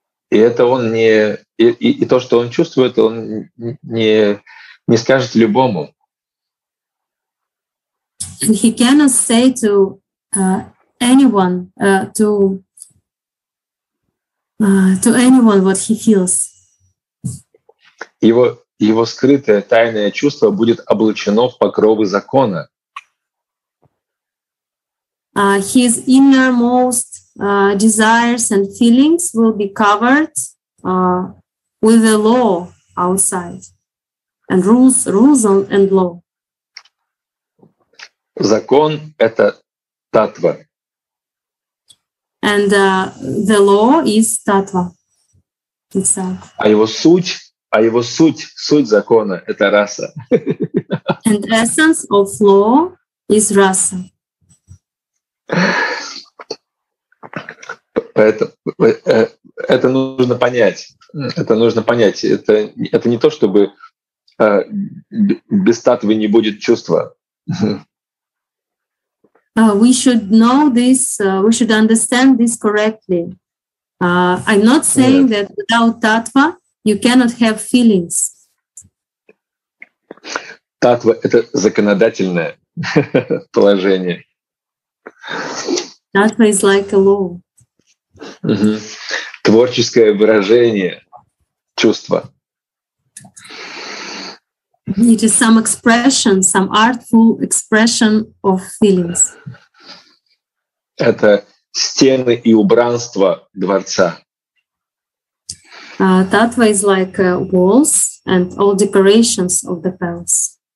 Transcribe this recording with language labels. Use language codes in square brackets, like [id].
[ru] И это он не и то, что он чувствует, он не скажет любому. [en] And he cannot say to anyone to anyone what he feels. [ru] Его скрытое тайное чувство будет облачено в покровы закона. [en] His innermost desires and feelings will be covered with the law outside and rules and law. [ru] Закон — это татва. [en] And the law is татва itself. [ru] А его суть закона — это раса. [en] And essence of law is раса. [ru] Поэтому это нужно понять. Это не то, чтобы без татвы не будет чувства. [en] We should know this, we should understand this correctly. I'm not saying that without татва you cannot have feelings. [ru] Татва — это законодательное положение. [en] Татва is like a law. [ru] Творческое выражение чувства. [en] It is some expression, some artful expression of feelings. [ru] Это стены и убранство дворца. [en] Татва is like walls and all decorations of the palace.